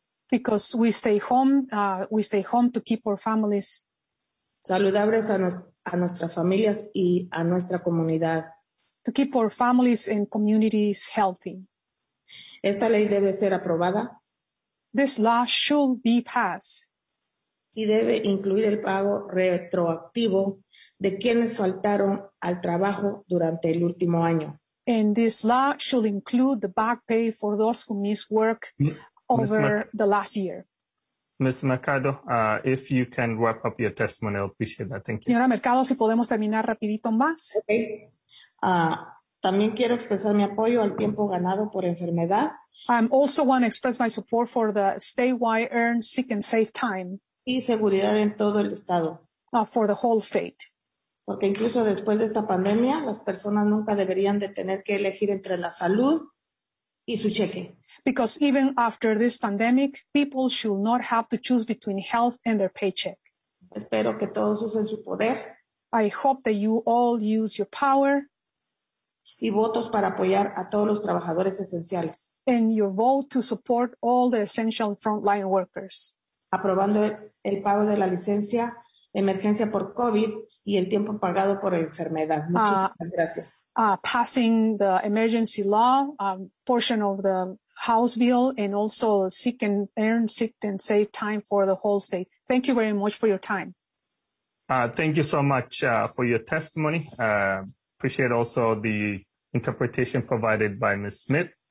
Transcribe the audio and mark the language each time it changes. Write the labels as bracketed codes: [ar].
[en] Because we stay home to keep our families [es] saludables a nuestras familias y a nuestra comunidad. [en] To keep our families and communities healthy. [es] Esta ley debe ser aprobada. [en] This law should be passed. [es] Y debe incluir el pago retroactivo de quienes faltaron al trabajo durante el último año. [en] And this law should include the back pay for those who missed work over the last year. Ms. Mercado, if you can wrap up your testimony, I'll appreciate that. Thank you. [es] Señora Mercado, si podemos terminar rapidito más. [en] Okay. [es] También quiero expresar mi apoyo al tiempo ganado por enfermedad. [en] I also want to express my support for the statewide earned sick and safe time. [es] Y seguridad en todo el estado. [en] For the whole state. [es] Porque incluso después de esta pandemia, las personas nunca deberían de tener que elegir entre la salud y su cheque. [en] Because even after this pandemic, people should not have to choose between health and their paycheck. [es] Espero que todos usen su poder. [en] I hope that you all use your power [es] y votos para apoyar a todos los trabajadores esenciales. [en] And your vote to support all the essential frontline workers. [es] Aprobando el pago de la licencia emergencia por COVID y el tiempo pagado por enfermedad. Muchísimas gracias. [en] Passing the emergency law, portion of the House bill, and also sick and earn sick and safe time for the whole state. Thank you very much for your time. Thank you so much for your testimony. Appreciate also the interpretation provided by Ms. Smith.